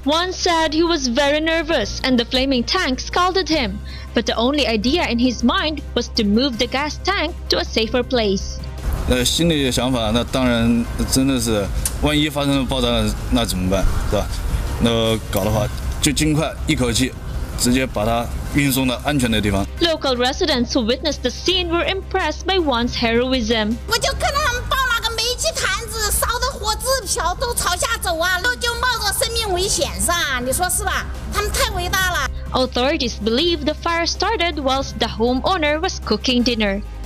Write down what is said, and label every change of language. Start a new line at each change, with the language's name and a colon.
English: Wan said he was very nervous and the flaming tank scalded him, but the only idea in his mind was to move the gas tank to a safer place.
Chinese: 那心里想法那当然真的是万一发生了爆炸那怎么办是吧那搞的话就尽快一口气直接把它
English: Local residents who witnessed the scene were impressed by Wan's heroism. Authorities believe the fire started whilst the homeowner was cooking dinner.